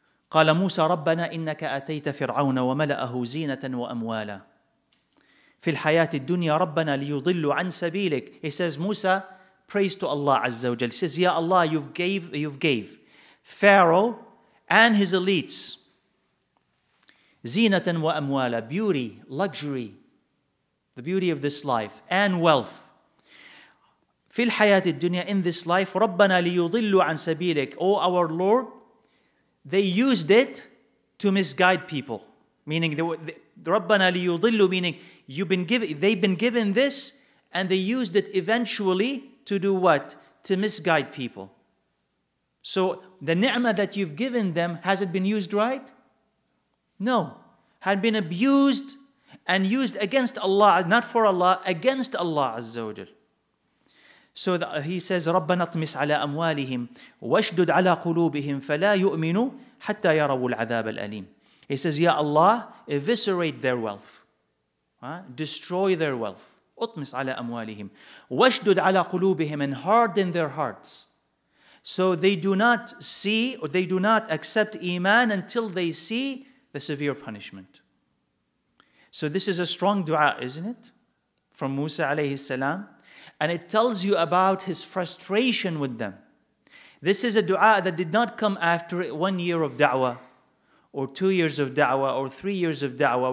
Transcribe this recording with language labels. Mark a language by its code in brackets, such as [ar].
[ar] قال موسى ربنا إنك أتيت فرعون وملأه زينة وأموالا في الحياة الدنيا ربنا ليضلوا عن سبيلك. [en] He says, Musa prays to Allah Azza wa Jal. He says, Ya Allah, you've gave Pharaoh and his elites [ar] زينة وأموالا, [en] beauty, luxury, the beauty of this life, and wealth. [ar] في الحياة الدنيا [en] in this life [ar] ربنا ليضلوا عن سبيلك [en] O our Lord, they used it to misguide people. meaning the [ar] رَبَّنَا لِيُضِلُّ, [en] meaning you've been given, they've been given this, and they used it eventually to do what? To misguide people. So the ni'mah that you've given them, has it been used right? No. Had been abused and used against Allah, not for Allah, against Allah Azza wa Jal. So he says, [ar] رَبَّنَا اطْمِسْ عَلَىٰ أَمْوَالِهِمْ وَاشْدُدْ عَلَىٰ قُلُوبِهِمْ فَلَا يُؤْمِنُوا حَتَّى يَرَوُوا الْعَذَابَ الْأَلِيمِ. [en] He says, Ya Allah, eviscerate their wealth. Destroy their wealth. [ar] اطْمِسْ عَلَىٰ أَمْوَالِهِمْ وَاشْدُدْ عَلَىٰ قُلُوبِهِمْ, [en] and harden their hearts. So they do not see, or they do not accept Iman until they see the severe punishment. So this is a strong dua, isn't it? From Musa alayhi salam. And it tells you about his frustration with them. This is a dua that did not come after 1 year of da'wah, or 2 years of da'wah, or 3 years of da'wah.